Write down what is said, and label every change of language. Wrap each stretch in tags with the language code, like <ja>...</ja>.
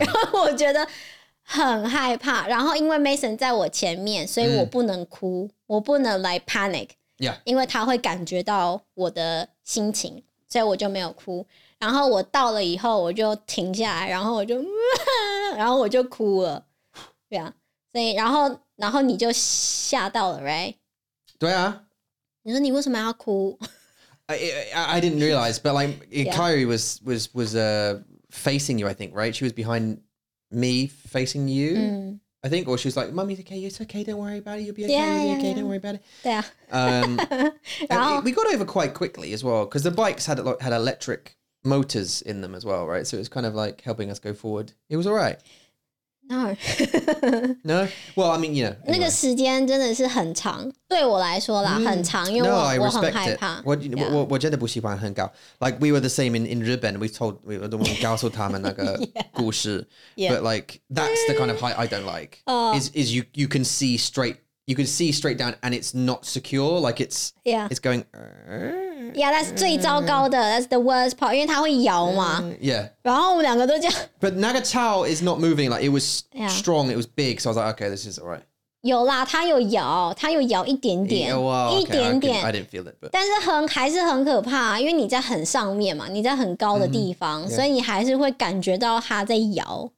<zh>然后我觉得很害怕然后因为 Mason 在我前面所以我不能哭、我不能</zh> <en>like panic、</en> <zh>因为他会感觉到我的心情所以我就没有哭然后我到了以后我就停下来然后我就然后我就哭了对啊所以然后你就吓到了 right 对啊你说你为什么要哭</zh> <en>I didn't realize but like Kyrie was facing you I think right she was behind me facing you、I think or she was like mommy's okay it's okay don't worry about it you'll be okay yeah, you'll be yeah, okay yeah. don't worry about it yeah and we got over quite quickly as well because the bikes had electric motors in them as well right so it was kind of like helping us go forward it was all right no no well I mean you know、 anyway.</en> <zh>那个时间真的是很长对我来说啦、很长因为</zh> <en>no,</en> <zh>我很害怕</zh> <en>what,、yeah.</en> <zh>我真的不喜欢很高</zh> <en>like we were the same in Ruben we</en> <zh>告诉他们那个故事</zh> <en>yeah. but like that's the kind of height I don't like is you can see straightYou can see straight down and it's not secure. Like it's, yeah. it's going. Yeah, that's</en> <zh>最糟糕的</zh> <en>That's the worst part.</en> <zh>因为它会摇嘛</zh> <en>Yeah.</en> <zh>然后我们两个都这样</zh> <en>But</en> <zh>那个桥</zh> <en>is not moving. Like it was strong. It was big. So I was like, okay, this is all right.</en> <zh>有啦它有摇它有摇一点点</zh> <en>yeah, well, okay,</en> <zh>一点点</zh> <en>I didn't feel it. But...</en> <zh>但是还是很可怕因为你在很上面嘛你在很高的地方、所以你还是会感觉到它在摇</zh>